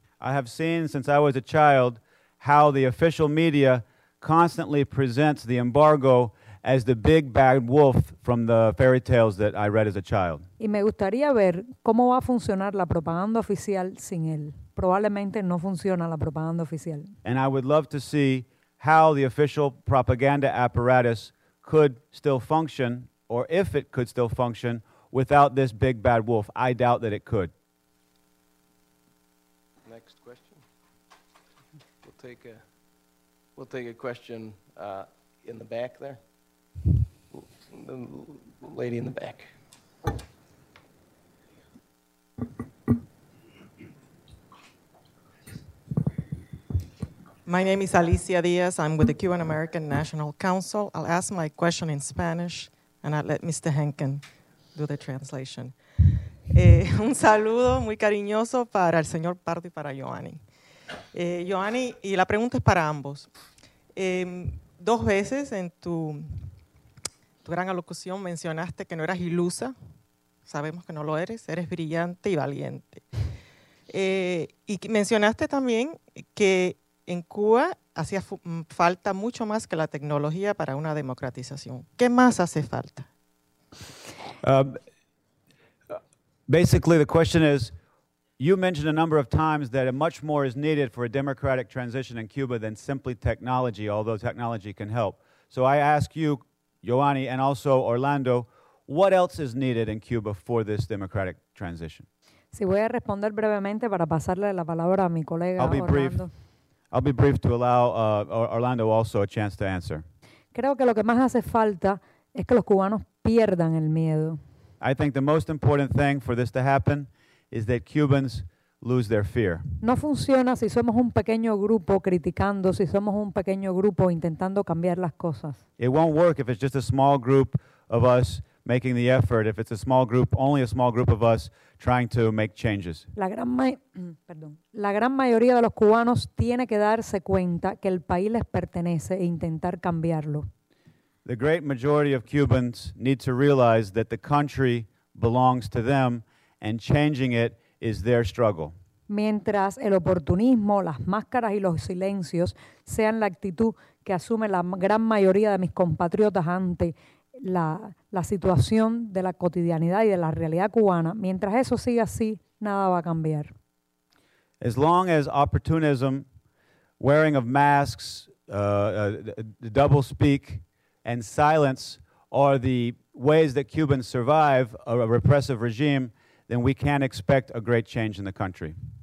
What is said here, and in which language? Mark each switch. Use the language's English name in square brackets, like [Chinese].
[English] I have seen since I was a child how the official media constantly presents the embargo as the big bad wolf from the fairy tales that I read as a child. [Spanish] Y me gustaría ver cómo va a funcionar la propaganda oficial sin él. Probablemente no funciona la propaganda oficial. [English] And I would love to see how the official propaganda apparatus could still function, or if it could still function, without this big bad wolf. I doubt that it could. Next question. We'll take a question in the back there. The lady in the back. My name is Alicia Diaz. I'm with the Cuban American National Council. I'll ask my question in Spanish. And I'll let Mr. Henkin do the translation. [Spanish] Un saludo muy cariñoso para el señor Pardo y para Giovanni. Giovanni, y la pregunta es para ambos. Dos veces en tu gran alocución mencionaste que no eras ilusa. Sabemos que no lo eres. Eres brillante y valiente. Y mencionaste también que en Cuba hacía falta mucho más que la tecnología para una democratización. ¿Qué más hace falta? [English] Basically, the question is, you mentioned a number of times that much more is needed for a democratic transition in Cuba than simply technology, although technology can help. So I ask you, Giovanni, and also Orlando, what else is needed in Cuba for this democratic transition? [Spanish] Si voy a responder brevemente para pasarle la palabra a mi colega [English] Orlando. I'll be brief to allow Orlando also a chance to answer. [Spanish] Creo que lo que más hace falta es que los cubanos pierdan el miedo. [English] I think the most important thing for this to happen is that Cubans lose their fear. [Spanish] No funciona si somos un pequeño grupo criticando, si somos un pequeño grupo intentando cambiar las cosas. [English] It won't work if it's just a small group of us making the effort, if it's a small group, only a small group of us trying to make changes. [Spanish] La gran mayoría de los cubanos tiene que darse cuenta que el país les pertenece e intentar cambiarlo. [English] The great majority of Cubans need to realize that the country belongs to them and changing it is their struggle. [Spanish] Mientras el oportunismo, las máscaras y los silencios sean la actitud que asume la gran mayoría de mis compatriotas ante la situación de la cotidianidad y de la realidad cubana, mientras eso siga así, nada va a cambiar. [English] As long as opportunism, wearing of masks, double speak, and silence are the ways that Cubans survive a repressive regime, then we can't expect a great change in the country.